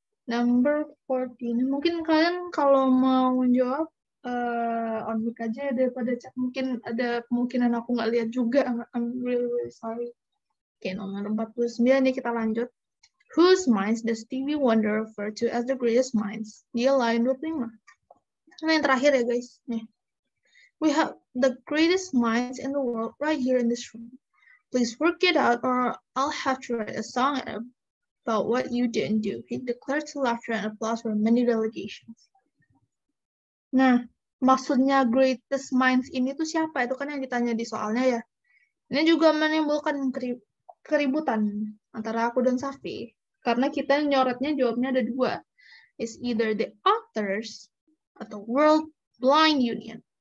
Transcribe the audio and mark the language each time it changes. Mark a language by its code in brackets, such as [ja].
[en] Number 14. [id] Mungkin kalian kalau mau jawab on mic aja daripada chat. Mungkin ada kemungkinan aku nggak lihat juga. [en] I'm really, really sorry. Okay, [id] nomor 49 nih, kita lanjut. [en] Whose minds does Stevie Wonder refer to as the greatest minds? [id] Dia line 25. Nah, yang terakhir ya guys. Nih. [en] We have the greatest minds in the world right here in this room. Please work it out or I'll have to write a song about what you didn't do. He declared to laughter and applause from many delegations. [id] Nah, maksudnya greatest minds ini tuh siapa? Itu kan yang ditanya di soalnya ya. Ini juga menimbulkan keributan antara aku dan Safi. Karena kita nyoretnya jawabnya ada dua. [en] It's either the authors [id] atau World Blind Union.